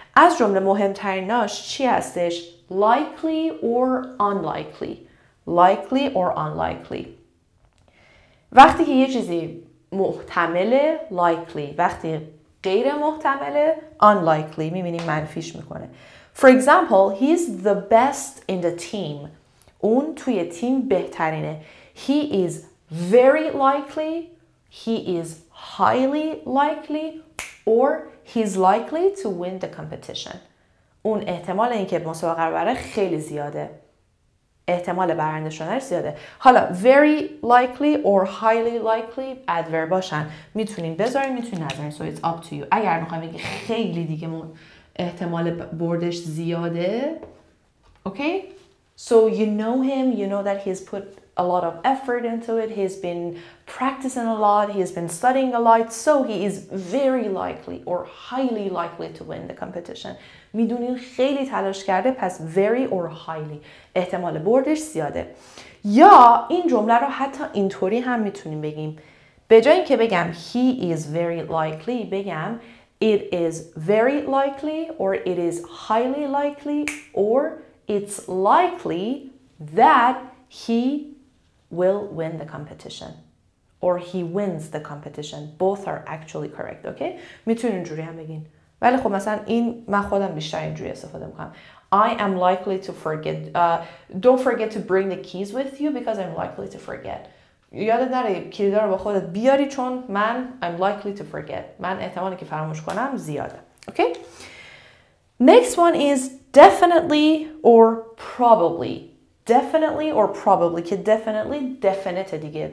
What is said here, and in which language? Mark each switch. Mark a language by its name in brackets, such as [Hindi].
[Persian] از جمله مهمتریناش چی هستش؟ [English] likely or unlikely. Likely or unlikely. [Persian] وقتی که یه چیزی محتمله likely, وقتی غیر محتمله unlikely, میبینیم منفیش میکنه. [English] For example, he's the best in the team. [Persian] اون توی تیم بهترینه. [English] He is very likely, he is highly likely, or he's likely to win the competition. [Persian] اون احتمال اینکه مسابقه رو ببره خیلی زیاده. احتمال برنده شدنش زیاده. حالا [English] very likely or highly likely [Persian] adverb باشن. میتونین بذارین, میتونین نذارین. [English] So it's up to you. [Persian] اگر میخوایم بگی خیلی دیگه احتمال بردش زیاده. [English] Okay? So you know him, you know that he's put a lot of effort into it, he's been practicing a lot, he's been studying a lot, so he is very likely or highly likely to win the competition. [Persian] میدونین خیلی تلاش کرده, پس [English] very or highly, [Persian] احتمال بردش زیاده. یا این جمله رو حتی اینطوری هم میتونیم بگیم. به جای اینکه بگم [English] he is very likely, [Persian] بگم [English] it is very likely or it is highly likely or it's likely that he will win the competition or he wins the competition. Both are actually correct, okay? [Persian] میتونی اینجوری هم بگین. ولی خب مثلا این من خودم بیشتر اینجوری استفاده میکنم. [English] I am likely to forget. Don't forget to bring the keys with you because I'm likely to forget. [Persian] یادت نره کلیدا رو با خودت بیاری چون من [English] I'm likely to forget. [Persian] من احتمالی که فراموش کنم زیاده. [English] Okay? Next one is definitely or probably. Definitely or probably. که definitely definite دیگه.